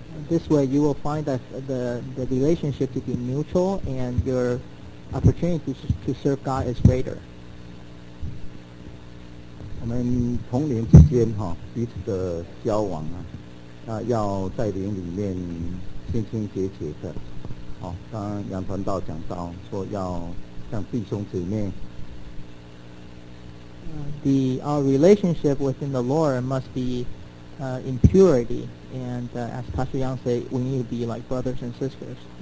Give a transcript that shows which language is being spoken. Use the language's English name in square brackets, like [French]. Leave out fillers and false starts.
[English] This way, you will find that the relationship to be mutual and your opportunity to serve God is greater. [Chinese] 我们同龄之间彼此的交往要在灵里面清清洁洁的，刚刚杨传道讲到说要像弟兄姊妹， [English] our relationship within the Lord must be in purity, and as Pastor Yang said, we need to be like brothers and sisters.